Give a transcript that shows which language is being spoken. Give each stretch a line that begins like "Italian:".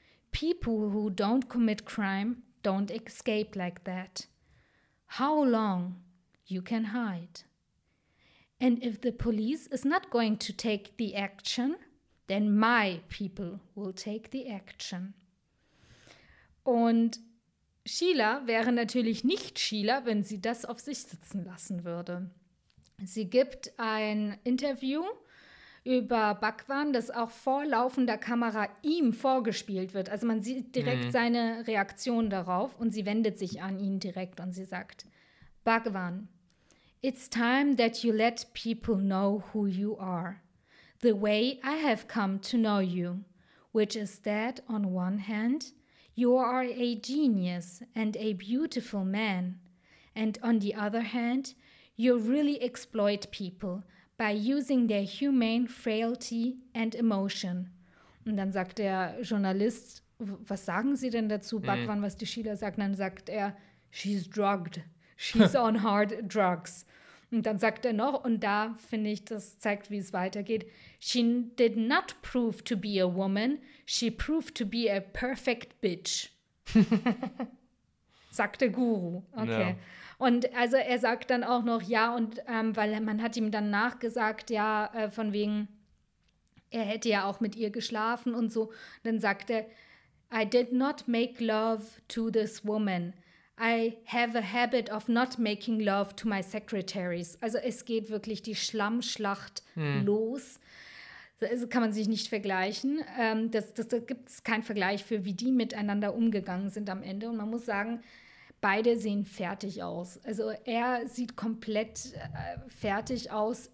English: People who don't commit crime don't escape like that. How long you can hide? And if the police is not going to take the action, then my people will take the action.
German: Und Sheila wäre natürlich nicht Sheila, wenn sie das auf sich sitzen lassen würde. Sie gibt ein Interview über Bhagwan, das auch vor laufender Kamera ihm vorgespielt wird. Also man sieht direkt seine Reaktion darauf und sie wendet sich an ihn direkt und sie sagt, Bhagwan,
English: it's time that you let people know who you are.
German: The way I have come to know you, which is that on one hand, you are a genius and a beautiful man, and on the other hand, you really exploit people by using their humane frailty and emotion. Und dann sagt der Journalist, was sagen Sie denn dazu, Bhagwan, was die Sheila sagt? Dann sagt er,
English: she's drugged, she's on hard drugs.
German: Und dann sagt er noch, und da finde ich, das zeigt, wie es weitergeht,
English: she did not prove to be a woman, she proved to be a perfect bitch.
German: Sagt der Guru. Okay. Ja. Und also er sagt dann auch noch, ja, und weil man hat ihm dann nachgesagt, ja, von wegen, er hätte ja auch mit ihr geschlafen und so. Dann sagt er,
English: I did not make love to this woman. I have a habit of not making love to my secretaries.
German: Also es geht wirklich die Schlammschlacht los. Das kann man sich nicht vergleichen. Da gibt es keinen Vergleich für, wie die miteinander umgegangen sind am Ende. Und man muss sagen, beide sehen fertig aus. Also er sieht komplett fertig aus.